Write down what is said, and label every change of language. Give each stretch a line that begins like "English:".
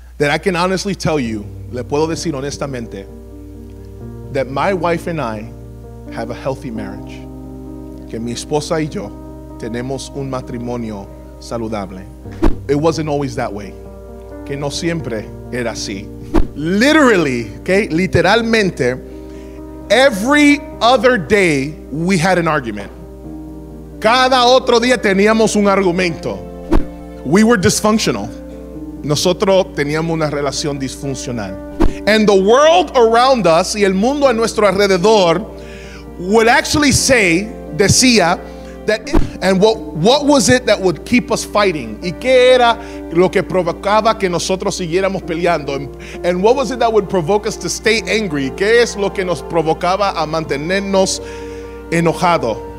English: that I can honestly tell you,
Spanish: le puedo decir honestamente,
English: that my wife and I have a healthy marriage.
Spanish: Que mi esposa y yo tenemos un matrimonio saludable.
English: It wasn't always that way.
Spanish: Que no siempre era así.
English: Literally, okay,
Spanish: literalmente,
English: every other day we had an argument.
Spanish: Cada otro día teníamos un argumento.
English: We were dysfunctional.
Spanish: Nosotros teníamos una relación disfuncional.
English: And the world around us,
Spanish: y el mundo a nuestro alrededor,
English: would actually say,
Spanish: decía,
English: that it, and what was it that would keep us fighting?
Spanish: ¿Y qué era lo que provocaba que nosotros siguiéramos peleando?
English: And what was it that would provoke us to stay angry?
Spanish: ¿Qué es lo que nos provocaba a mantenernos enojado?